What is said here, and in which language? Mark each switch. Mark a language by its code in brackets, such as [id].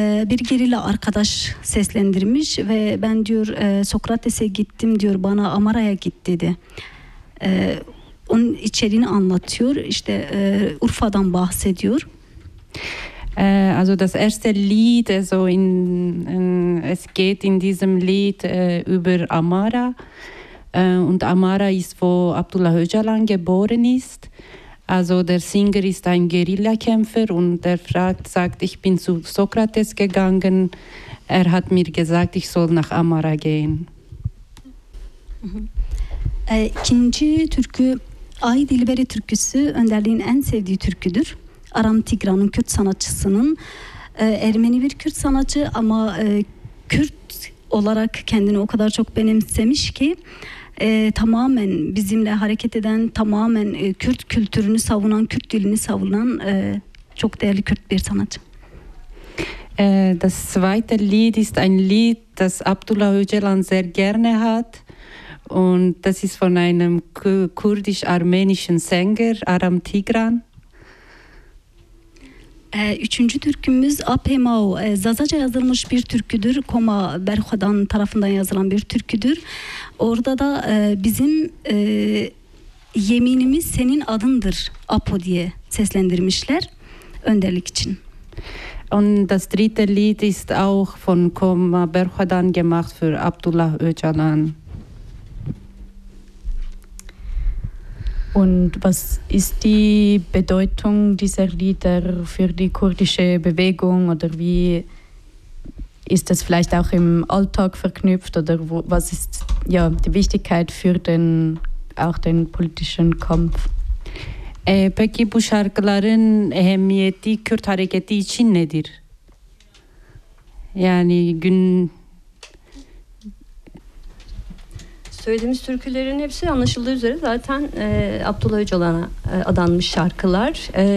[tr] Bir gerilla arkadaş seslendirmiş ve ben diyor Sokrates'e gittim diyor, bana Amara'ya git dedi. Onun içeriğini anlatıyor, işte Urfa'dan bahsediyor. [de] Also das erste Lied, also es geht in diesem Lied über Amara. Und Amara ist, wo Abdullah Öcalan geboren ist. Also der Sänger ist ein Guerillakämpfer und er sagt, ich bin zu Sokrates gegangen. Er hat mir gesagt, ich soll nach Amara gehen. [tr] İkinci türkü Ay Dilberi türküsü Önderliğin en sevdiği türküdür. Aram Tigran'ın Kürt sanatçısının. Ermeni bir Kürt sanatçı ama Kürt olarak kendini o kadar çok benimsemiş ki tamamen bizimle hareket eden, tamamen Kürt kültürünü savunan, Kürt dilini savunan çok değerli Kürt bir sanatçı. [de] Das zweite Lied ist ein Lied, das Abdullah Öcalan sehr gerne hat und das ist von einem kurdisch-armenischen Sänger, Aram Tigran. [tr] Üçüncü türkümüz Apemau, Zazaca yazılmış bir türküdür. Koma Berhoda'nın tarafından yazılan bir türküdür. Orada da bizim yeminimiz senin adındır Apo diye seslendirmişler önderlik için. [de] Und das dritte Lied ist auch von Koma Berhoda'n gemacht für Abdullah Öcalan. Und was ist die Bedeutung dieser Lieder für die kurdische Bewegung oder wie ist das vielleicht auch im Alltag verknüpft oder wo, was ist ja, die Wichtigkeit für den, auch den politischen Kampf? [tr] Peki bu şarkıların ehemmiyeti Kürt hareketi için nedir? Yani gün... Söylediğimiz türkülerin hepsi anlaşıldığı üzere zaten Abdullah Öcalan'a adanmış şarkılar.